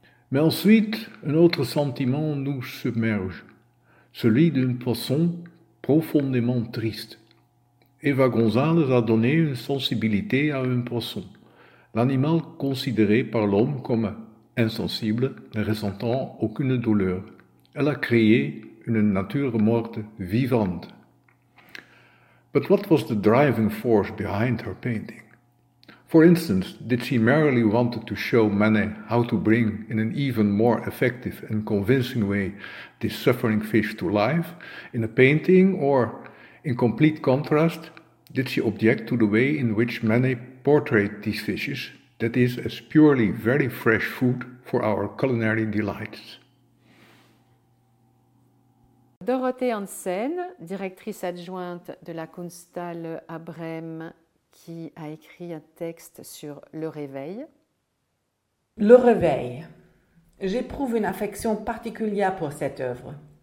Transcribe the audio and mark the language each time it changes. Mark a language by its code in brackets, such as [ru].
[fr] Mais ensuite, un autre sentiment nous submerge, celui d'un poisson profondément triste. Eva González a donné une sensibilité à un poisson, l'animal considéré par l'homme comme insensible, ne ressentant aucune douleur. Elle a créé une nature morte vivante. [en] But what was the driving force behind her painting? For instance, did she merely want to show Manet how to bring, in an even more effective and convincing way, this suffering fish to life in a painting, or, in complete contrast, did she object to the way in which Manet portrayed these fishes, that is, as purely very fresh food for our culinary delights? [fr] Dorothée Hansen, directrice adjointe de la Kunsthalle à Brême, qui a écrit un texte sur Le Réveil. Le Réveil. J'éprouve une affection particulière pour cette œuvre.